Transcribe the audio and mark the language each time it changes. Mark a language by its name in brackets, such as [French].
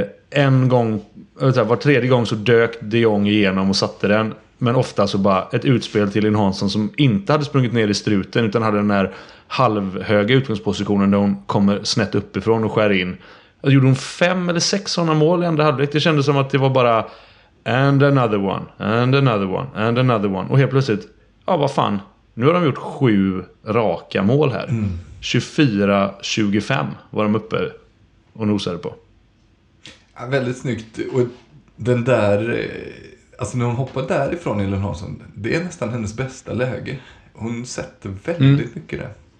[Swedish] En gång, var tredje gång så dök De Jong igenom och satte den. Men ofta så bara ett utspel till Elin Hansson som inte hade sprungit ner i struten. Utan hade den här halvhöga utgångspositionen där hon kommer snett uppifrån och skär in. Alltså, gjorde hon 5 eller 6 sådana mål i andra halvlek? Det kändes som att det var bara... [English] And another one, and another one, and another one. [Swedish] Och helt plötsligt, ja vad fan, nu har de gjort 7 raka mål här. Mm. 24-25 var de uppe och nosade på. Ja, väldigt snyggt. Och den där, alltså när hon hoppar därifrån, Elin Hansson, det är nästan hennes bästa läge. Hon sätter väldigt mycket där.